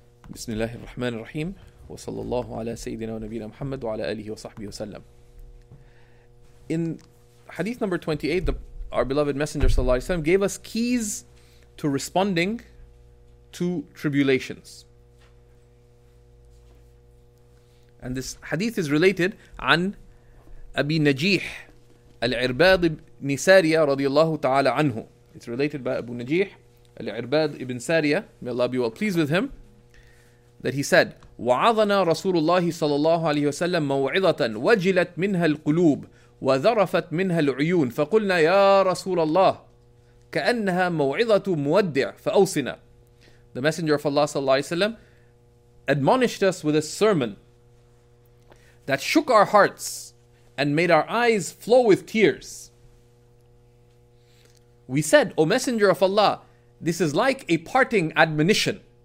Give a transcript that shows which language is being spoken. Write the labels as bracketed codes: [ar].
[ar] بسم الله الرحمن الرحيم، وصلى الله على سيدنا ونبينا محمد وعلى آله وصحبه وسلم. [en] In hadith number 28, our beloved Messenger صلى الله عليه وسلم gave us keys to responding to tribulations. And this hadith is related [ar] عن أبي نجيح العرباد بن سارية رضي الله تعالى عنه. [en] It's related by أبو نجيح العرباد بن سارية, may Allah be well pleased with him, that he said, [ar] وَعَظَنَا رَسُولُ اللَّهِ صَلَى اللَّهُ عَلَيْهِ وَسَلَّمَ مَوْعِظَةً وَجِلَتْ مِنْهَا الْقُلُوبِ وَذَرَفَتْ مِنْهَا الْعُيُونَ فَقُلْنَا يَا رَسُولَ اللَّهِ كَأَنَّهَا مَوْعِظَةُ مُوَدِّعُ فَأَوْسِنَا. [en] The Messenger of Allah صلى الله عليه وسلم admonished us with a sermon that shook our hearts and made our eyes flow with tears. We said, O Messenger of Allah, this is like a parting admonition.